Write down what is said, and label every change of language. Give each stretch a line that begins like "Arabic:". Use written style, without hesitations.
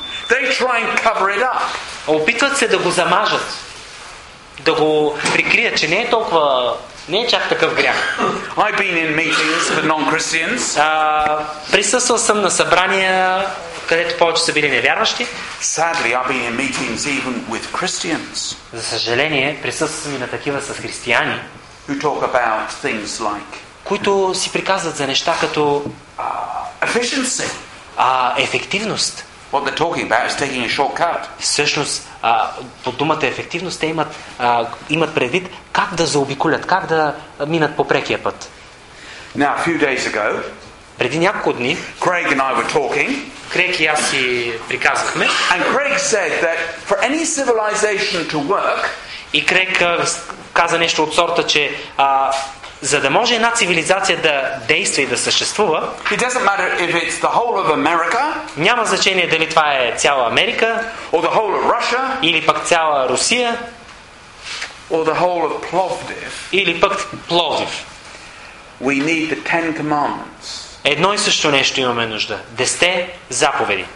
English: They try and cover it up.
Bulgarian: Опитват се да го замажат. Да го прикрият, че не е толкова, не е чак такъв грях.
English: I've been in meetings for non-Christians.
Bulgarian: Присъствал съм на събрания, където повече са били невярващи.
English: Sadly, I've been in meetings even with Christians.
Bulgarian: За съжаление, присъствал съм и на такива с християни,
English: who talk about things like,
Bulgarian: които си приказват за неща като
English: efficiency.
Bulgarian: Ефективност.
English: What they're talking about is taking a shortcut.
Bulgarian: Всъщност, по думата ефективност, те имат, имат предвид как да заобиколят, как да минат по прекия път.
English: Now, a few days ago,
Bulgarian: преди няколко дни,
English: Craig and I were talking,
Bulgarian: Craig и аз си приказахме,
English: and Craig said that for any civilization to work,
Bulgarian: и Craig каза нещо от сорта, че за да може една цивилизация да действа и да съществува,
English: it doesn't matter if it's the whole of America,
Bulgarian: няма значение дали това е цяла Америка,
English: or the whole of Russia,
Bulgarian: или пък цяла Русия,
English: or the whole of Plovdiv,
Bulgarian: или пък Пловдив.
English: We need the Ten Commandments.
Bulgarian: Едно и също нещо имаме нужда. Десте заповеди.